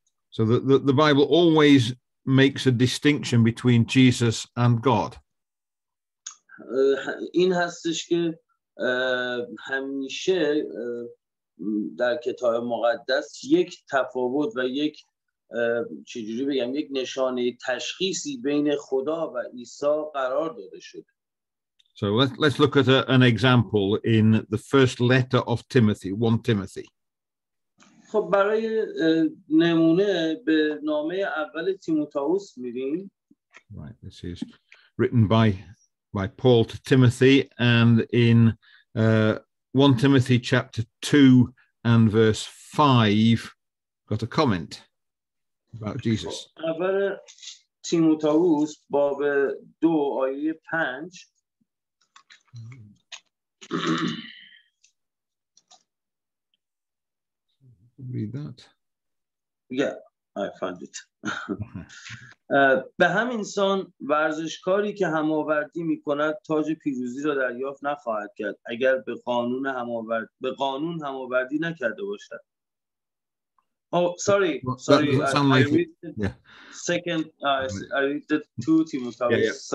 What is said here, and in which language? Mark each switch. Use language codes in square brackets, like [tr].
[en] So the Bible always makes a distinction between Jesus and God. [fa] این هستش که همیشه در کتاب مقدس یک تفاوت و یک چجوری بگم یک نشانه تشخیصی بین خدا و عیسی قرار داده شده. [en] So let's look at an example in the first letter of Timothy, 1 Timothy. [fa] خب برای نمونه به نامه اول تیموتائوس میریم. [en] Right, this is written by Paul to Timothy, and in 1 Timothy chapter 2 and verse 5, got a comment about Jesus. [fa] اول تیموتائوس باب 2 آیه 5. [en] Read that. Yeah, I found it. [fa] به همین سان ورزشکاری که هماوردی می کند تاج پیروزی را دریافت نخواهد کرد اگر به قانون هماوردی نکرده باشد. [en] Sorry. That doesn't sound like it. Second, I read the two Timothy.